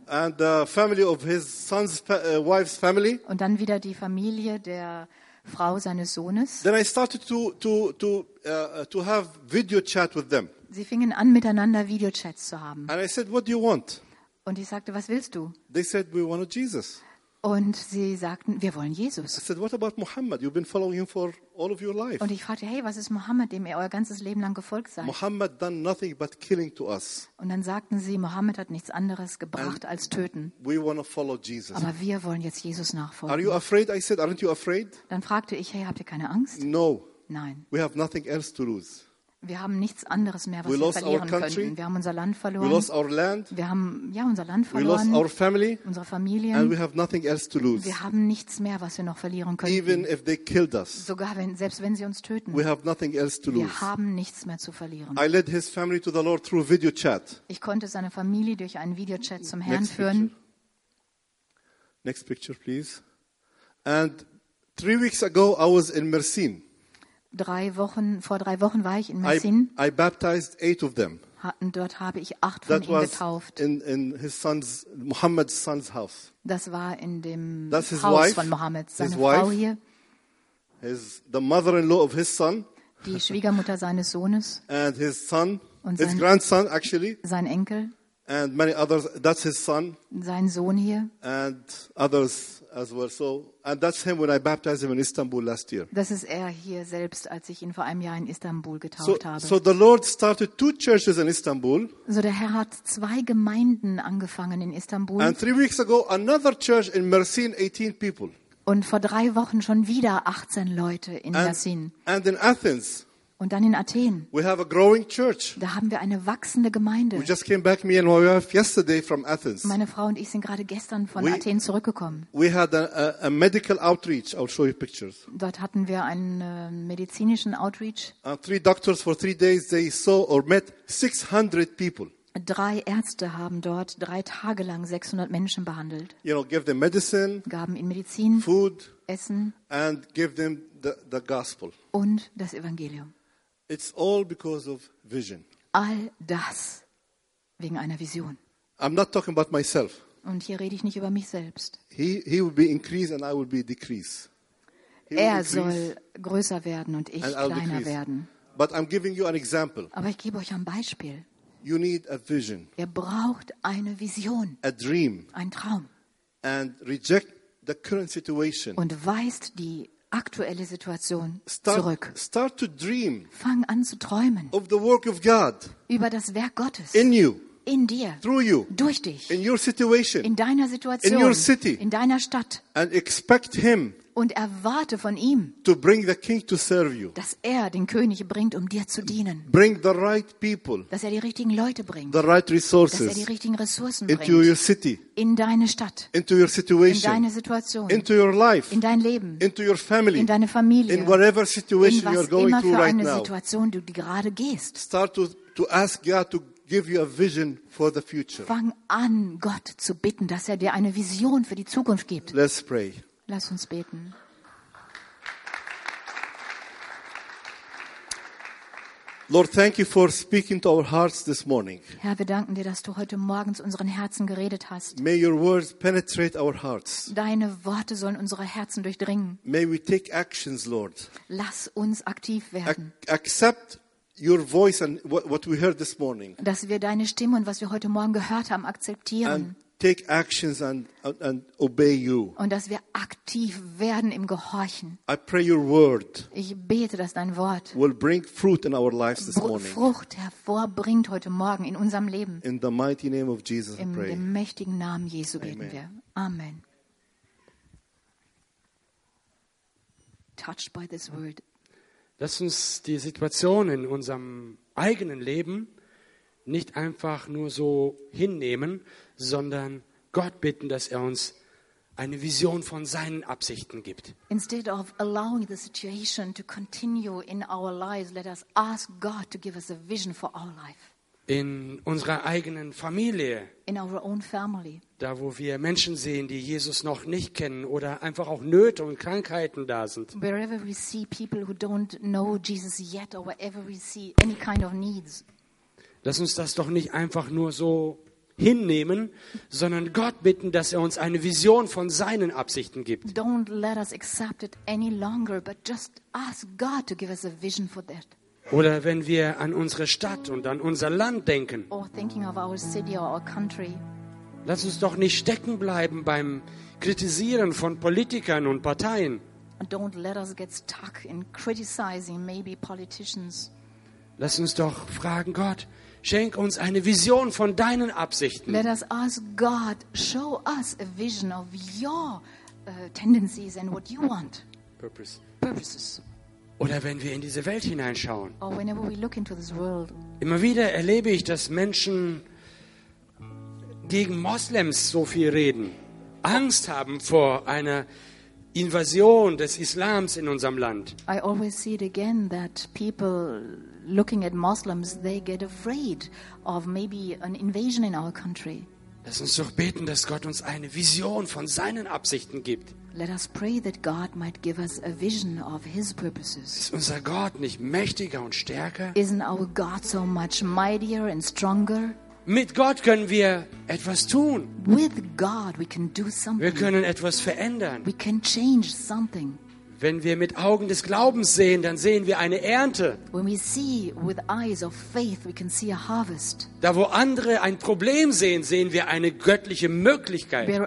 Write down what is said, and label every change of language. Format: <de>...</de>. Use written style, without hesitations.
<en>And the family of his sons, wife's family.</en> <de>Und dann wieder die Familie der Frau seines Sohnes.</de> <en>Then I started to have video chat with them.</en> <de>Sie fingen an, miteinander Videochats zu haben.</de> <en>And I said, what do you want?</en> <de>Und ich sagte, was willst du?</de> <en>They said, we want Jesus.</en> <de>Und sie sagten, wir wollen Jesus.</de> <en>I said, what about Muhammad? You've been following him for all of your life.</en> <de>Und ich fragte, hey, was ist Muhammad, dem ihr euer ganzes Leben lang gefolgt seid?</de> <en>Muhammad done nothing but killing to us.</en> <de>Und dann sagten sie, Muhammad hat nichts anderes gebracht als töten.</de> <en>We want to follow Jesus.</en> <de>Aber wir wollen jetzt Jesus nachfolgen.</de> <en>Are you afraid? I said, aren't you afraid?</en> <de>Dann fragte ich, hey, habt ihr keine Angst?</de> <en>No.</en> <de>Nein.</de> <en>We have nothing else to lose.</en> <de>Wir haben nichts anderes mehr, was wir verlieren könnten. Wir haben unser Land verloren.</de> <en>We lost our land.</en> <de>Wir haben ja unser Land verloren.</de> <en>We lost our family.</en> <de>Unsere Familie.</de> <en>And we have nothing else to lose.</en> <de>Wir haben nichts mehr, was wir noch verlieren könnten.</de> <en>Even if they killed us.</en> <de>Sogar wenn, selbst wenn sie uns töten.</de> <en>We have nothing else to lose.</en> <de>Wir haben nichts mehr zu verlieren.</de> <en>I led his family to the Lord through video chat.</en> <de>Ich konnte seine Familie durch einen Videochat zum Herrn führen.</de> <en>Next picture, please. And 3 weeks ago I was in Mersin.</en> <de>Vor drei Wochen war ich in Mersin.</de> <en>I baptized 8 of them.</en> <de>Dort habe ich 8 von ihnen getauft.</de> <en>That was in his son's, Muhammad's son's house.</en> <de>Das war in dem Haus von Muhammad, seine Frau hier.</de> <en>His, the mother-in-law of his son.</en> <de>Die Schwiegermutter seines Sohnes.</de> <en>And his son, und his grandson actually.</en> <de>Sein Enkel.</de> <en>And many others, that's his son.</en> <de>Sein Sohn hier.</de> <en>And others as well. So, and that's him when I baptized him in Istanbul last year.</en> <de>Das ist er hier selbst, als ich ihn vor einem Jahr in Istanbul getauft habe.</de> <en>So the Lord started 2 churches in Istanbul.</en> <de>So der Herr hat 2 Gemeinden angefangen in Istanbul.</de> <en>And 3 weeks ago, another church in Mersin, 18 people.</en> <de>Und vor 3 Wochen schon wieder 18 Leute in Mersin.</de> <en>And in Athens.</en> <de>Und dann in Athen.</de> <en>We have a growing church.</en> <de>Da haben wir eine wachsende Gemeinde.</de> <en>We just came back, me and my wife, yesterday from Athens.</en> <de>Meine Frau und ich sind gerade gestern von Athen zurückgekommen.</de> <en>We had a medical outreach. I'll show you pictures.</en> <de>Dort hatten wir einen medizinischen Outreach.</de> <en>3 doctors for 3 days, they saw or met 600 people.</en> <de>3 Ärzte haben dort 3 Tage lang 600 Menschen behandelt.</de> <en>You know, give them medicine,</en> <de>gaben ihnen Medizin,</de> <en>food,</en> <de>Essen</de> <en>and give them the gospel.</en> <de>Und das Evangelium.</de> <en>It's all because of vision.</en> <de>All das wegen einer Vision.</de> <en>I'm not talking about myself.</en> <de>Und hier rede ich nicht über mich selbst.</de> <en>He will be increased and I will be decreased.</en> <de>Er soll größer werden und ich kleiner werden.</de> <en>But I'm giving you an example.</en> <de>Aber ich gebe euch ein Beispiel.</de> <en>You need a vision.</en> <de>Ihr braucht eine Vision.</de> <en>A dream.</en> <de>Ein Traum.</de> <en>And reject the current situation.</en> <de>Und weist die aktuelle Situation zurück.</de> <en>Start to dream.</en> <de>Fang an zu träumen.</de> <en>Of the work of God.</en> <de>Über das Werk Gottes.</de> <en>In you.</en> <de>in dir,</de> <en>through you,</en> <de>durch dich,</de> <en>in your situation,</en> <de>in deiner Situation,</de> <en>in your city,</en> <de>in deiner Stadt,</de> <en>and expect him,</en> <de>und erwarte von ihm,</de> <en>to bring the king to serve you,</en> <de>dass er den König bringt, um dir zu dienen,</de> <en>bring the right people,</en> <de>dass er die richtigen Leute bringt,</de> <en>the right resources,</en> <de>dass er die richtigen Ressourcen bringt,</de> <en>into your city,</en> <de>in deine Stadt,</de> <en>into your situation,</en> <de>in deine Situation,</de> <en>into your life,</en> <de>in dein Leben,</de> <en>into your family,</en> <de>in deine Familie,</de> <en>in whatever situation you are going through right now,</en> <de>in was immer für eine Situation du gerade gehst,</de> <en>start to ask God to give you a vision for the future.</en> <de>Fang an, Gott zu bitten, dass er dir eine Vision für die Zukunft gibt.</de> <en>Let's pray.</en> <de>Lass uns beten.</de> <en>Lord, thank you for speaking to our hearts this morning.</en> <de>Herr, wir danken dir, dass du heute Morgen zu unseren Herzen geredet hast.</de> <en>May your words penetrate our hearts.</en> <de>Deine Worte sollen unsere Herzen durchdringen.</de> <en>May we take actions, Lord.</en> <de>Lass uns aktiv werden.</de> <en>Accept your voice and what we heard this morning.</en> <de>Dass wir deine Stimme und was wir heute Morgen gehört haben akzeptieren.</de> <en>And take actions and obey you.</en> <de>Und dass wir aktiv werden im Gehorchen.</de> <en>I pray your word.</en> <de>Ich bete, dass dein Wort</de> <en>will bring fruit in our lives this morning.</en> <de>Frucht hervorbringt heute Morgen in unserem Leben.</de> <en>In the mighty name of Jesus,</en> <de>in dem mächtigen Namen Jesu beten wir. Amen.</de> <en>Touched by this word.</en> <de>Lass uns die Situation in unserem eigenen Leben nicht einfach nur so hinnehmen, sondern Gott bitten, dass er uns eine Vision von seinen Absichten gibt.</de> <en>Instead of allowing the situation to continue in our lives, let us ask God to give us a vision for our life.</en> <de>In unserer eigenen Familie,</de> <en>in our own family,</en> <de>da wo wir Menschen sehen, die Jesus noch nicht kennen oder einfach auch Nöte und Krankheiten da sind,</de> <en>wherever we see people who don't know Jesus yet or wherever we see any kind of needs,</en> <de>lass uns das doch nicht einfach nur so hinnehmen, sondern Gott bitten, dass er uns eine Vision von seinen Absichten gibt.</de> <en>Don't let us accept it any longer, but just ask God to give us a vision for that.</en> <de>Oder wenn wir an unsere Stadt und an unser Land denken.</de> <en>Or thinking of our city or our country.</en> <de>Lass uns doch nicht stecken bleiben beim Kritisieren von Politikern und Parteien.</de> <en>Don't let us get stuck in criticizing maybe politicians.</en> <de>Lass uns doch fragen, Gott, schenk uns eine Vision von deinen Absichten.</de> <en>Let us ask God, show us a vision of your tendencies and what you want.</en> <de>Purposes. Oder wenn wir in diese Welt hineinschauen.</de> <en>Or whenever we look into this world.</en> <de>Immer wieder erlebe ich, dass Menschen gegen Moslems so viel reden, Angst haben vor einer Invasion des Islams in unserem Land.</de> <en>I always see it again that people looking at Muslims, they get afraid of maybe an invasion in our country.</en> <de>Lass uns doch beten, dass Gott uns eine Vision von seinen Absichten gibt.</de> <en>Let us pray that God might give us a vision of his purposes.</en> <de>Ist unser Gott nicht mächtiger und stärker?</de> <en>Isn't our God so much mightier and stronger?</en> <de>Mit Gott können wir etwas tun.</de> <en>With God we can do something.</en> <de>Wir können etwas verändern.</de> <en>We can change something.</en> <de>Wenn wir mit Augen des Glaubens sehen, dann sehen wir eine Ernte.</de> <en>When we see with eyes of faith, we can see a harvest.</en> <de>Da wo andere ein Problem sehen, sehen wir eine göttliche Möglichkeit.</de>